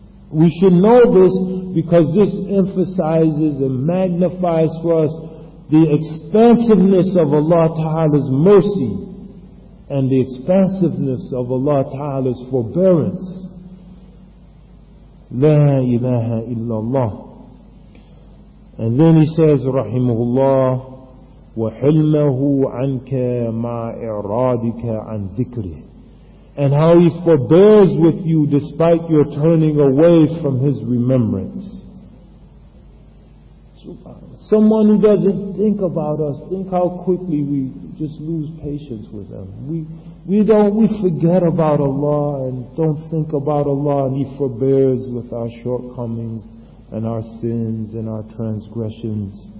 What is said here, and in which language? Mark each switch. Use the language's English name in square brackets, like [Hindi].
[English] We should know this because this emphasizes and magnifies for us the expansiveness of Allah Ta'ala's mercy and the expansiveness of Allah Ta'ala's forbearance. [Arabic] La ilaha illallah. [English] And then he says, [Arabic] Rahimahullah, وَحِلْمَهُ عَنْكَ مَا إِعْرَادِكَ عَنْ ذِكْرِهِ. [English] And how he forbears with you despite your turning away from his remembrance. Someone who doesn't think about us, think how quickly we just lose patience with them. We forget about Allah and don't think about Allah, and He forbears with our shortcomings and our sins and our transgressions.